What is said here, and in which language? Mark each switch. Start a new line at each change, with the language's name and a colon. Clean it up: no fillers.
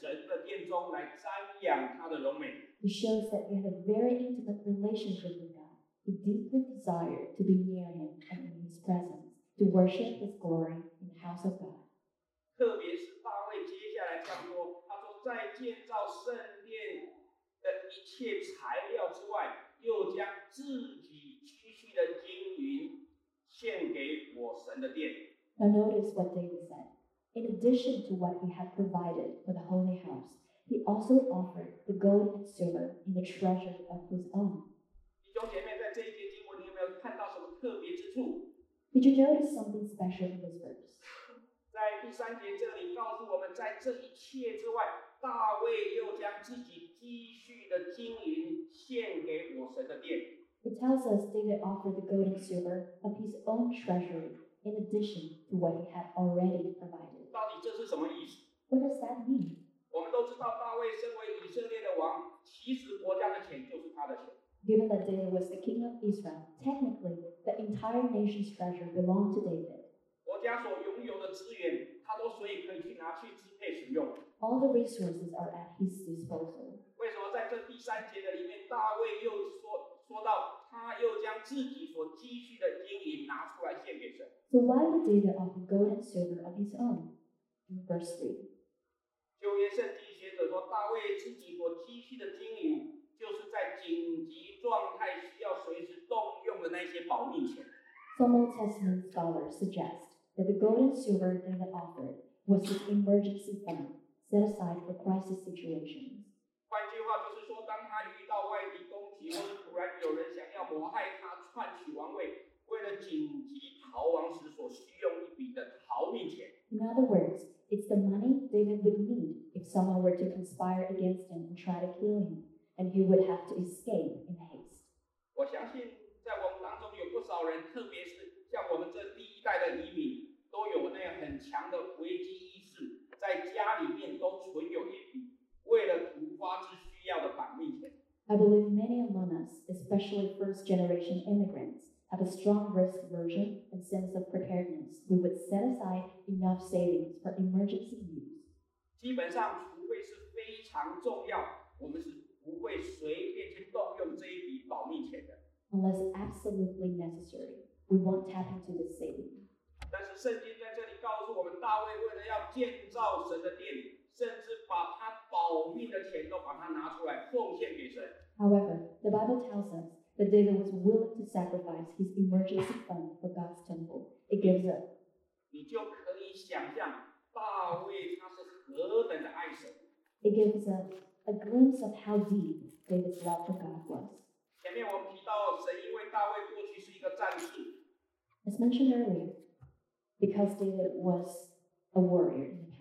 English: He shows that he had a very intimate relationship with God. He deeply desired to be near him and in his presence, to worship his glory in the house of God.
Chinese: 特别是大卫接下来讲说，他说在建造圣殿一切材料之外，又将自己积蓄的金银献给我神的殿。
English: Now notice what David said. In addition to what he had provided for the holy house, he also offered the gold and silver in the treasure of his own.
Chinese: 弟兄姐妹，在这一节经文，你有没有看到什么特别之处？
English: Did you notice something special in this verse?
Chinese: 在第三节这里告诉我们，在这一切之外，大卫又将自己积蓄的金银献给我神的殿。
English: It tells us David offered the gold and silver of his own treasury in addition to what he had already provided.
Chinese: 到底这是什么意思？
English: What does that mean?
Chinese: 我们都知道，大卫身为以色列的王，其实国家的钱就是他的钱。
English: Given that David was the king of Israel, technically the entire nation's treasure belonged to David.
Chinese: 国家所拥有的资源，他都所以可以去拿去支配使用。
English: All the resources are at his disposal.
Chinese: 为什么在这第三节的里面，大卫又说到他又将自己所积蓄的金银拿出来献给神？
English: So why did David offer gold and silver of his own? In verse 3.
Chinese: 旧约圣经学者说，大卫自己所积蓄的金银，就是在紧急状态需要随时动用的那些保命钱。
English: Some Old Testament scholars suggest that the gold and silver David offered was his emergency fund. Set aside for crisis situations.
Chinese: 换句话就是说，当他遇到外敌攻击，或者突然有人想要谋害他篡取王位，为了紧急逃亡时所需用一笔的逃命钱。
English: In other words, it's the money David would need if someone were to conspire against him and try to kill him, and he would have to escape in haste.
Chinese: 我相信在我们当中有不少人，特别是像我们这第一代的移民，都有那样很强的危机意识。在家里面都存有一笔为了突发之需要的保命钱。
English: I believe many among us, especially first-generation immigrants, have a strong risk aversion and sense of preparedness. We would set aside enough savings for emergency use.
Chinese: 基本上，除非是非常重要，我们是不会随便去动用这一笔保命钱的。
English: Unless absolutely necessary, we won't tap into the savings.
Chinese: 但是圣经在这里告诉我们，大卫为了要建造神的殿，甚至把他保命的钱都把他拿出来奉献给神。
English: However, the Bible tells us that David was willing to sacrifice his emergency fund for God's temple. It gives up.
Chinese: 你就可以想象大卫他是何等的爱神。
English: It gives us a glimpse of how deep David's love for God was.
Chinese: 前面我们提到神因为大卫过去是一个战士。
English: As mentioned earlier, because David was a warrior